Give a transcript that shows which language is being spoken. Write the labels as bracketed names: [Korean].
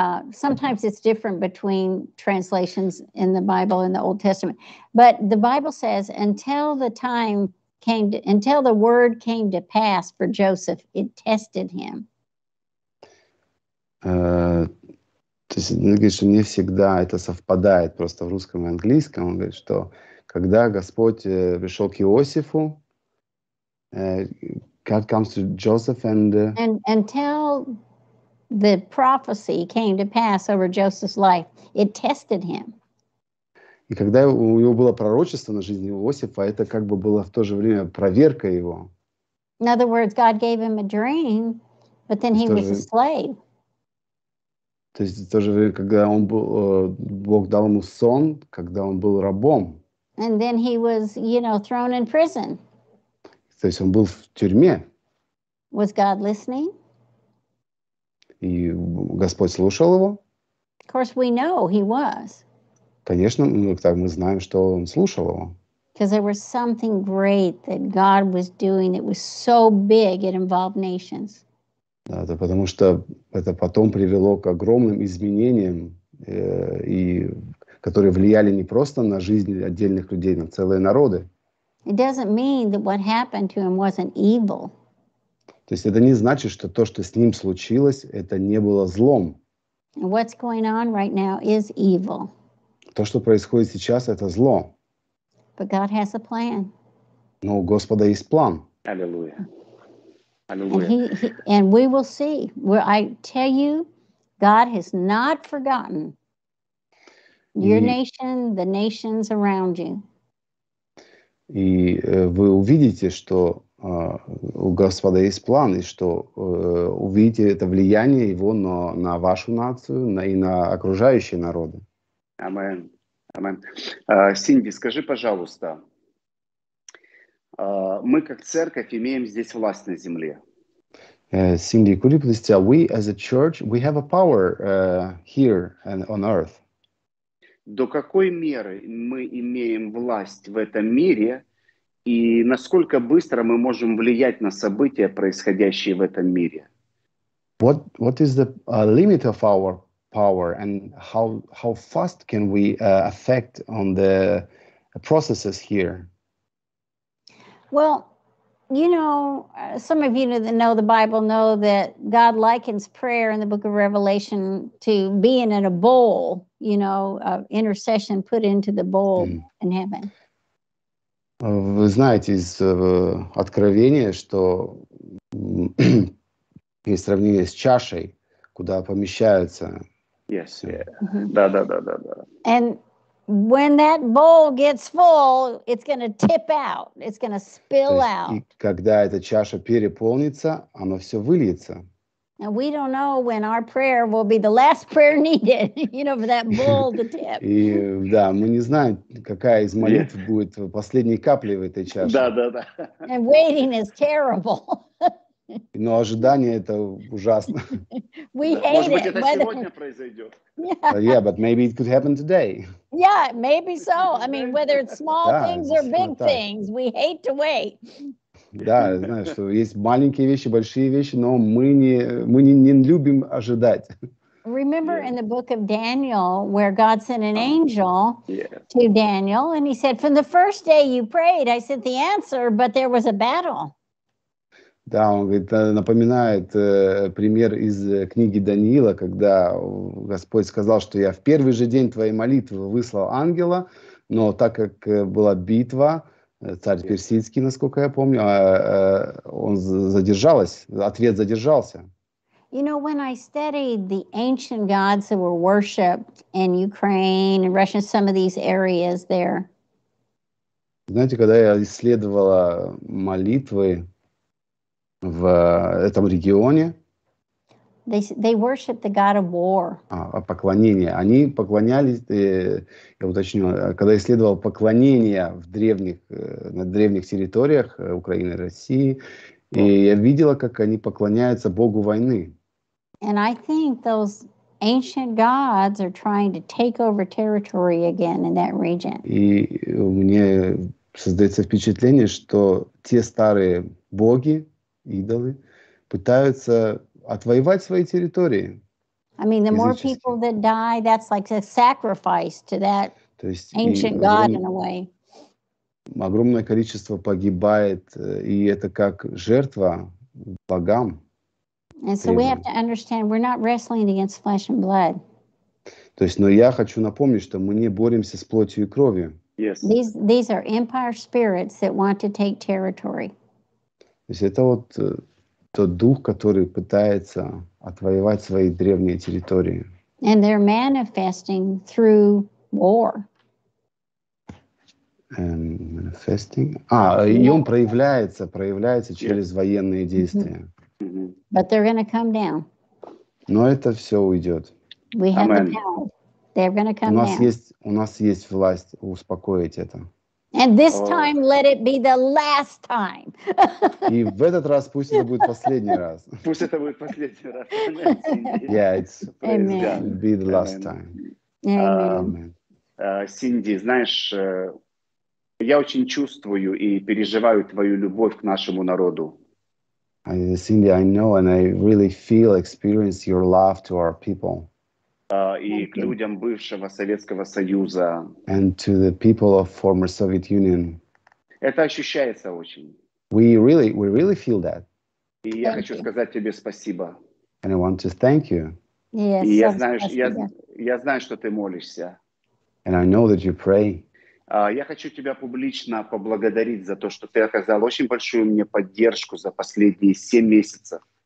[English] Sometimes it's different between translations in the Bible and the Old Testament. But the Bible says, until the time came to, until the word came to pass for Joseph, it tested him. [Russian] То есть, он говорит, что не всегда это совпадает просто в русском и английском. Он говорит, что когда Господь пришел к Иосифу, [English] God comes to Joseph and... And until the prophecy came to pass over Joseph's life, it tested him. [Russian] И когда у него было пророчество на жизнь Иосифа, это как бы было в то же время проверка его. [English] In other words, God gave him a dream, but then he was a slave. [Russian] То есть в то же время, когда он был, Бог дал ему сон, когда он был рабом. [English] And then he was, you know, thrown in prison. [Russian] То есть он был в тюрьме. [English] Was God listening? [Russian] И Господь слушал его? [English] Of course we know he was. [Russian] Конечно, мы знаем, что он слушал его. [English] Because there was something great that God was doing that was so big it involved nations. [Russian] Да, это потому что это потом привело к огромным изменениям, и которые влияли не просто на жизнь отдельных людей, на целые народы. [English] It doesn't mean that what happened to him wasn't evil. [Russian] То есть это не значит, что то, что с ним случилось, это не было злом. [English] What's going on right now is evil. [Russian] То, что происходит сейчас, это зло. [English] But God has a plan. [Russian] Но у Господа есть план. Аллилуйя. [English] And we will see. Well, I tell you, God has not forgotten your nation, the nations around you. [Russian] И вы увидите, что у Господа есть план, и что увидите это влияние Его на вашу нацию, и на окружающие народы. Амен. Амен. Синди, скажи, пожалуйста, мы как церковь имеем здесь власть на земле. [English] Cindy, could you please tell, we as a church, we have a power here and on earth. [Russian] До какой меры мы имеем власть в этом мире, и насколько быстро мы можем влиять на события, происходящие в этом мире? [English] What is the limit of our power, and how fast can we affect on the processes here? Well, you know, some of you that know the Bible know that God likens prayer in the book of Revelation to being in a bowl, you know, intercession put into the bowl in heaven. [Russian] Вы знаете из Откровения, что есть сравнение с чашей, куда помещаются. [English] Yes, yeah. [Russian] Да. [English] And when that bowl gets full, it's going to tip out. It's going to spill out. [Russian] Когда эта чаша переполнится, оно все выльется. [English] And we don't know when our prayer will be the last prayer needed, you know, for that bowl to tip. [Russian] И да, мы не знаем, какая из молитв будет последней каплей в этой чаше. Да. [English] And waiting is terrible. [Russian] Но ожидание это ужасно. Может быть, это сегодня произойдет. [English] Yeah, but maybe it could happen today. Yeah, maybe so. I mean, whether it's small things or big things, we hate to wait. [Russian] Да, знаешь, что есть маленькие вещи, большие вещи, но мы не любим ожидать. [English] Remember in the book of Daniel, where God sent an angel to Daniel, and he said, from the first day you prayed, I sent the answer, but there was a battle. [Russian] Да, он говорит, напоминает пример из книги Даниила, когда Господь сказал, что я в первый же день твоей молитвы выслал ангела, но так как была битва, царь персидский, насколько я помню, он задержался, ответ задержался. [English] You know, when I studied the ancient gods that were worshipped in Ukraine and Russia, some of these areas there. [Russian] Знаете, когда я исследовала молитвы в этом регионе, [English] they worship the god of war. [Russian] Поклонение. Они поклонялись, я уточню, когда исследовал поклонение в древних, на древних территориях Украины, России, и я видела, как они поклоняются богу войны. [English] And I think those ancient gods are trying to take over territory again in that region. [Russian] И у меня создается впечатление, что те старые боги, идолы, пытаются отвоевать свои территории. [English] I mean, the more people that die, that's like a sacrifice to that ancient god in a way. [Russian] Огромное количество погибает, и это как жертва богам. [English] And so we have to understand we're not wrestling against flesh and blood. [Russian] То есть, но я хочу напомнить, что мы не боремся с плотью и кровью. [English] Yes. These are empire spirits that want to take territory. [Russian] То есть это вот тот дух, который пытается отвоевать свои древние территории. [English] And they're manifesting through war. Manifesting. [Russian] И он проявляется через военные действия. [English] But they're going to come down. [Russian] Но это все уйдет. [English] We have the power. They're going to come down. [Russian] У нас есть власть успокоить это. [English] And this time, let it be the last time. [Russian] И в этот раз пусть это будет последний раз. Пусть это будет последний раз. [English] Yeah, it's be the last time. Amen. [Russian] Синди, знаешь, я очень чувствую и переживаю твою любовь к нашему народу. [English] Cindy, I know, and I really feel, experience your love to our people. [Russian] К людям бывшего Советского Союза. [English] And to the people of former Soviet Union. [Russian] Это ощущается очень. [English] We really feel that. [Russian] И я хочу сказать тебе спасибо. [English] And I want to thank you. Yes. [Russian] И я знаю, что ты молишься. [English] And I know that you pray. [Russian] Я хочу тебя публично поблагодарить за то, что ты оказал очень большую мне поддержку за последние 7 месяцев.